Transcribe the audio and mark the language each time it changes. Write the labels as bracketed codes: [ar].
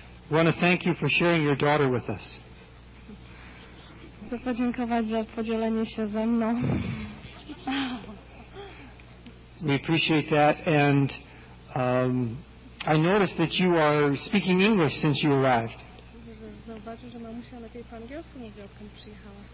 [en] We want to thank you for sharing your daughter with us. [pl] Chcę podziękować za podzielenie się ze mną. [en] We appreciate that, and I noticed that you are speaking English since you arrived. [pl] Zauważyłam, że mamusia lepiej po angielsku mówi, odkąd przyjechała.